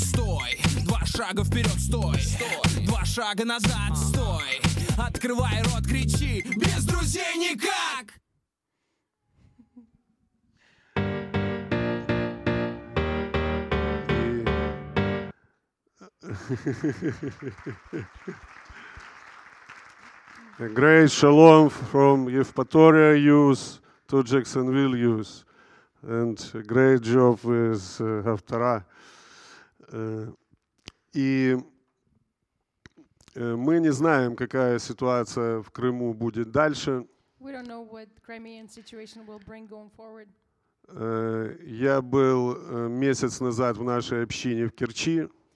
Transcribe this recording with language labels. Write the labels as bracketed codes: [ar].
[ru] Стой, два шага вперед, стой, стой. Два шага назад, стой, открывай рот, кричи, без друзей никак. [en] A great shalom from Евпатория youth to Jacksonville youth, and a great job with Haftarah. [ru] Мы не знаем, какая ситуация в Крыму будет дальше. [en] We don't know what Crimean situation will bring going forward. [ru] Я был месяц назад в нашей общине в Керчи.